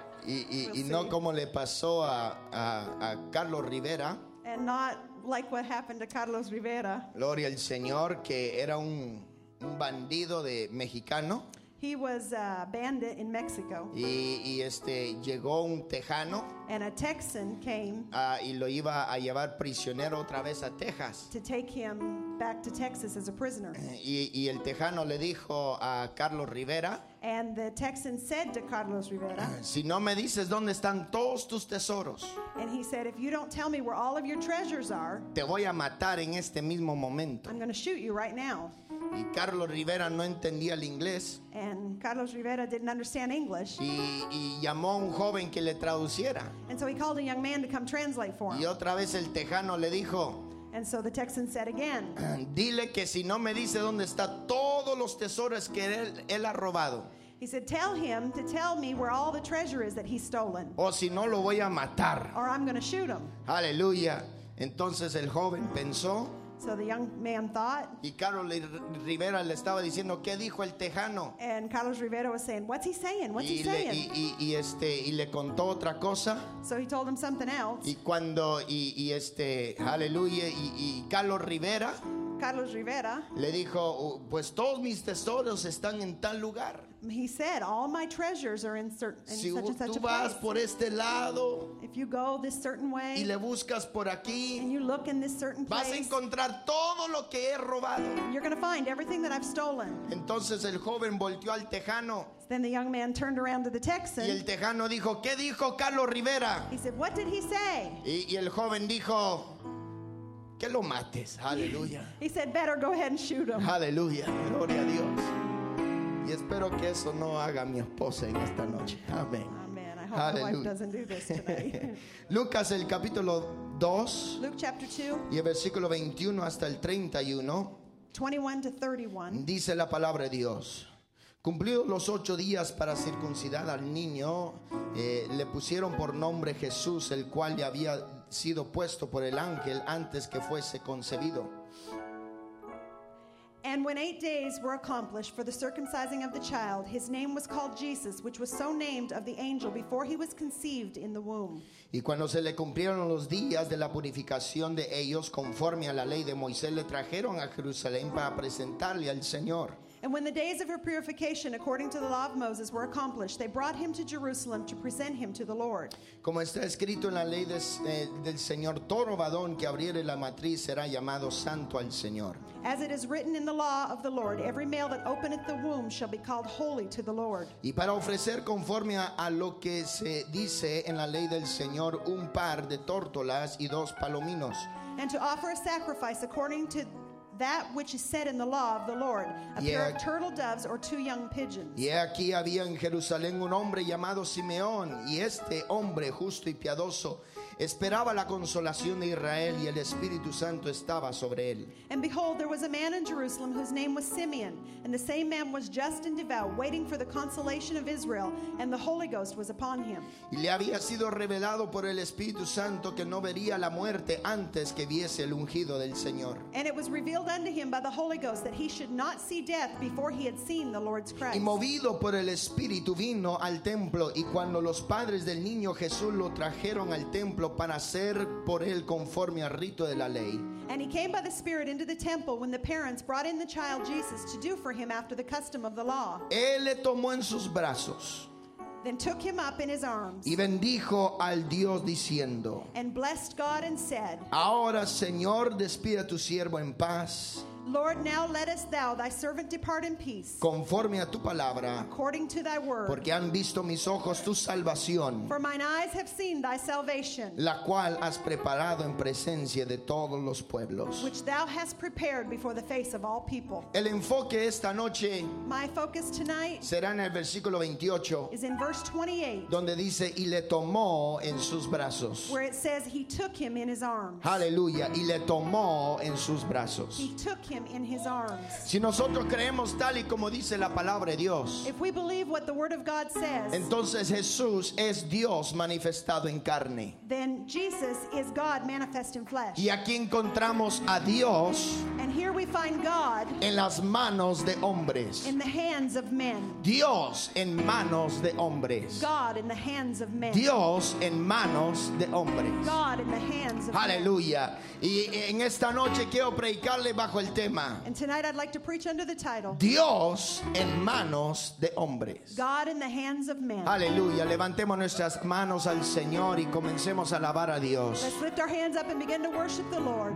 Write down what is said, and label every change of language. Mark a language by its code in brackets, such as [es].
[es] Y no como le pasó a Carlos Rivera. [en] And not like what happened to Carlos Rivera. [es] Gloria al Señor, que era un bandido de mexicano. [en] He was a bandit in Mexico. [es] Y llegó un tejano. [en] And a Texan came. [es] Y lo iba a llevar prisionero otra vez a Texas. [en] To take him back to Texas as a prisoner. [es] Y el tejano le dijo a Carlos Rivera. [en] And the Texan said to Carlos Rivera, [es] si no me dices dónde están todos tus tesoros, [en] and he said, if you don't tell me where all of your treasures are, [es] te voy a matar en este mismo momento. [en] I'm going to shoot you right now. [es] Y Carlos Rivera no entendía el inglés. [en] And Carlos Rivera didn't understand English. [es] Y llamó a un joven que le traduciera. [en] And so he called a young man to come translate for him. [es] Y otra vez el tejano le dijo, [en] and so the Texan said again, [es] dile que si no me dice dónde está todos los tesoros que él ha robado. [en] He said, tell him to tell me where all the treasure is that he's stolen. [es] O si no, lo voy a matar. [en] Or I'm going to shoot him. [es] Aleluya. Entonces el joven pensó, [en] So the young man thought. [es] Y Carlos Rivera le estaba diciendo, ¿qué dijo el tejano? [en] And Carlos Rivera was saying, what's he saying? What's he [es] le, [en] saying? [es] Y le contó otra cosa. [en] So he told him something else. [es] Y cuando aleluya, y Carlos Rivera. [en] Carlos Rivera [es] le dijo, pues todos mis tesoros están en tal lugar. [en] He said, all my treasures are in certain in [es] si [en] such and such [es] tú a vas [en] place. [es] Por este lado, [en] if you go this certain way, [es] y le buscas por aquí, [en] and you look in this certain place, [es] vas a encontrar todo lo que he robado. [en] You're going to find everything that I've stolen. [es] Entonces el joven volteó al tejano. [en] Then the young man turned around to the Texan. [es] Y el tejano dijo, ¿qué dijo Carlos Rivera? [en] He said, what did he say? [es] Y el joven dijo, que lo mates. Aleluya. [en] He said, better go ahead and shoot him. [es] Aleluya. Gloria a Dios. Y espero que eso no haga mi esposa en esta noche. Amén. [en] Amen. I hope Hallelujah. My wife doesn't do this tonight. [es] Lucas el capítulo 2. [en] Luke chapter 2. [es] Y el versículo 21 hasta el 31. [en] 21 to 31. [es] Dice la palabra de Dios. Cumplidos los 8 días para circuncidar al niño, le pusieron por nombre Jesús, el cual ya había sido puesto por el ángel antes que fuese concebido. [en] And when 8 days were accomplished for the circumcising of the child, his name was called Jesus, which was so named of the angel before he was conceived in the womb. [es] Y cuando se le cumplieron los días de la purificación de ellos, conforme a la ley de Moisés, le trajeron a Jerusalén para presentarle al Señor. [en] And when the days of her purification according to the law of Moses were accomplished, they brought him to Jerusalem to present him to the Lord. [es] Como está escrito en la ley del Señor, todo varón que abriere la matriz será llamado santo al Señor. [en] As it is written in the law of the Lord, every male that openeth the womb shall be called holy to the Lord. [es] Y para ofrecer conforme a lo que se dice en la ley del Señor, un par de tórtolas y dos palominos. [en] And to offer a sacrifice according to that which is said in the law of the Lord, a pair of turtle doves or 2 young pigeons. [es] Y aquí había en Jerusalén un hombre llamado Simeón, y este hombre justo y piadoso esperaba la consolación de Israel, y el Espíritu Santo estaba sobre él. [en] And behold, there was a man in Jerusalem whose name was Simeon, and the same man was just and devout, waiting for the consolation of Israel, and the Holy Ghost was upon him. [es] Y le había sido revelado por el Espíritu Santo que no vería la muerte antes que viese el ungido del Señor. [en] And it was revealed unto him by the Holy Ghost that he should not see death before he had seen the Lord's Christ. [es] Y movido por el Espíritu vino al templo, y cuando los padres del niño Jesús lo trajeron al templo para hacer por él conforme al rito de la ley. [en] And he came by the Spirit into the temple when the parents brought in the child Jesus to do for him after the custom of the law. [es] Él le tomó en sus brazos. [en] Then took him up in his arms. [es] Y bendijo al Dios diciendo. [en] And blessed God and said. [es] Ahora, Señor, despide a tu siervo en paz. [en] Lord, now lettest thou thy servant depart in peace. [es] Conforme a tu palabra. [en] According to thy word. [es] Porque han visto mis ojos tu salvación. [en] For mine eyes have seen thy salvation. [es] La cual has preparado en presencia de todos los pueblos. [en] Which thou hast prepared before the face of all people. [es] El enfoque esta noche. [en] My focus tonight. [es] Será en el versículo 28. [en] Is in verse 28. [es] Donde dice, y le tomó en sus brazos. [en] Where it says, he took him in his arms. [es] Hallelujah. Y le tomó en sus brazos. [en] He took him in his arms. [es] Si nosotros creemos tal y como dice la palabra de Dios, [en] if we believe what the word of God says, [es] entonces Jesús es Dios manifestado en carne. [en] Then Jesus is God manifest in flesh. [es] Y aquí encontramos a Dios, [en] and here we find God, [es] en las manos de hombres. [en] In the hands of men. [es] Dios en manos de hombres. [en] God in the hands of men. [es] Dios en manos de hombres. [en] God in the hands of [es] Aleluya. [en] Men. [es] Y en esta noche quiero predicarle bajo el tema, [en] and tonight I'd like to preach under the title, [es] Dios en manos de hombres. [en] God in the hands of men. [es] Aleluya. Levantemos nuestras manos al Señor y comencemos a alabar a Dios. [en] Let's lift our hands up and begin to worship the Lord.